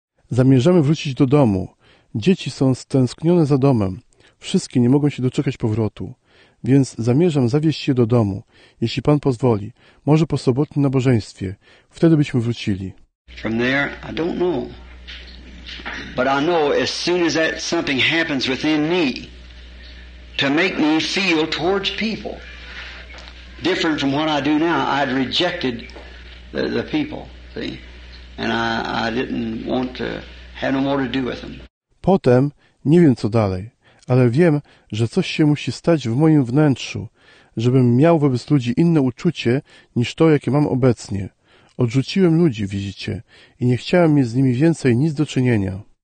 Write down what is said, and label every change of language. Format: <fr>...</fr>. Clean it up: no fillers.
<pl>Zamierzamy wrócić do domu. Dzieci są stęsknione za domem. Wszystkie nie mogą się doczekać powrotu. Więc zamierzam zawieźć je do domu, jeśli Pan pozwoli. Może po sobotnim nabożeństwie. Wtedy byśmy wrócili.</pl> <en>From there, I don't know. But I know as soon as that something happens within me to make me feel towards people different from what I do now, I'd rejected the people, see? And I didn't want to have no more to do with them.</en> <pl>Potem nie wiem, co dalej, ale wiem, że coś się musi stać w moim wnętrzu, żebym miał wobec ludzi inne uczucie niż to, jakie mam obecnie. Odrzuciłem ludzi, widzicie, i nie chciałem mieć z nimi więcej nic do czynienia.</pl>